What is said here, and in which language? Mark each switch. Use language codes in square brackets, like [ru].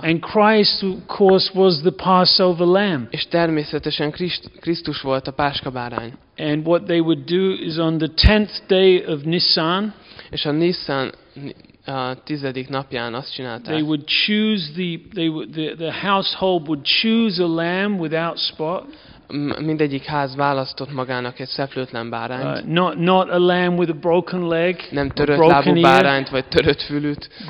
[en] And Christ, of course, was the Passover lamb. [hu] És természetesen Krisztus volt a páska bárány. [en] And what they would do is on the 10th day of Nisan, [hu] és a Nisan a 10. napján azt csinálták. [en] They would choose the household would choose a lamb without spot. [hu] Mindegyik ház választott magának egy szeplőtlen bárányt. [en] Not a lamb with a broken leg. [hu] Nem törött lábú bárányt vagy törött fülüt.